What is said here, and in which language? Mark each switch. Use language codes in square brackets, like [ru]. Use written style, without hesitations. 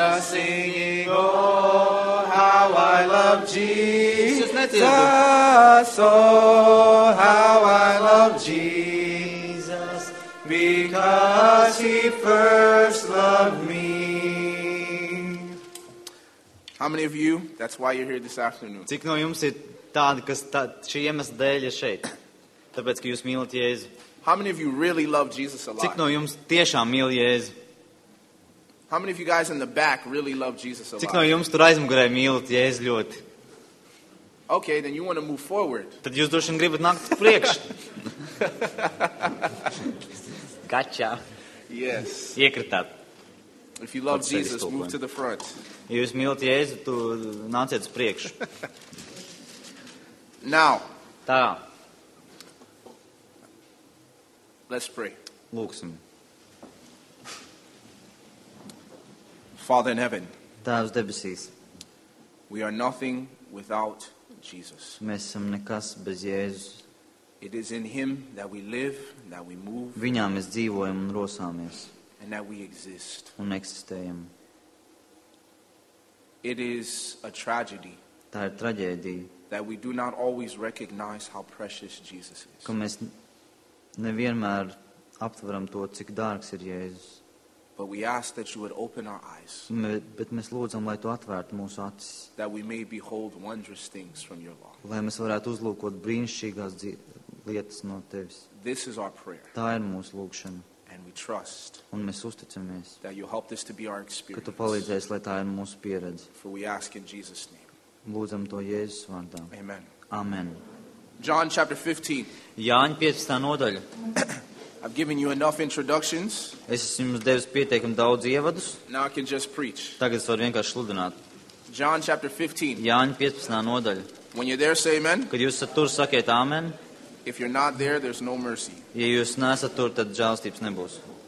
[en] Singing, oh, how I love Jesus. Jesus, oh, how I love Jesus, because he first loved me. How many of you, that's why you're here this afternoon? [lv] Cik no jums ir tādi, kas šī iemesla dēļ ir šeit? Tāpēc, ka jūs mīlat Jēzu? [en] How many of you really love Jesus a lot? [lv] Cik no jums tiešām mīl Jēzu? [en] How many of you guys in the back really love Jesus a lot? [lv] Cik no jums tur aizmugurē mīlat Jēzu ļoti? [en] Okay, then you want to move forward. [lv] Tad jūs droši vien gribat nākt priekš. [en] Gotcha. Yes. [lv] Iekritāt. [en] If you love Jesus, move to the front. [lv] Ja jūs mīlat Jēzu, tu nāciet uz priekšu. [en] Now. [lv] Tā. [en] Let's pray. [lv] Lūksim. [en] Father in heaven. [lv] Tēvs debesīs. [en] We are nothing without Jesus. [lv] Mēs esam nekas bez Jēzus. [en] It is in him that we live, that we move. [lv] Viņā mēs dzīvojam un rosāmies. [en] And that we exist. [lv] Un eksistējam. [en] It is a tragedy. [lv] Tā ir traģēdija. [en] That we do not always recognize how precious Jesus is. [lv] Ka mēs nevienmēr aptveram to, cik dārgs ir Jēzus. [en] But we ask that you would open our eyes. [lv] Bet mēs lūdzam, lai tu atvērtu mūsu acis. [en] That we may behold wondrous things from your law. [lv] Lai mēs varētu uzlūkot brīnišķīgās lietas no tevis. [en] This is our prayer. [lv] Tā ir mūsu lūkšana. [en] And we trust. [lv] Un mēs uzticamies. [en] That you help this to be our experience. [lv] Ka tu palīdzēsi, lai tā ir mūsu pieredze. [en] For we ask in Jesus' name. [lv] Lūdzam to Jēzus vārdā. [en] Amen. [lv] Amen. [en] John chapter 15. [lv] Jāņa 15. Nodaļa. [en] I've given you enough introductions. [lv] Es esmu jums devis pietiekami daudz ievadus. [en] Now I can just preach. [lv] Tagad es varu vienkārši sludināt. [en] John chapter 15. [lv] Jāņa 15. Nodaļa. [en] When you're there, say amen. [lv] Kad jūs tur sakiet amen. [en] If you're not there, there's no mercy. [lv] Ja jūs nesat tur, tad žēlstības nebūs.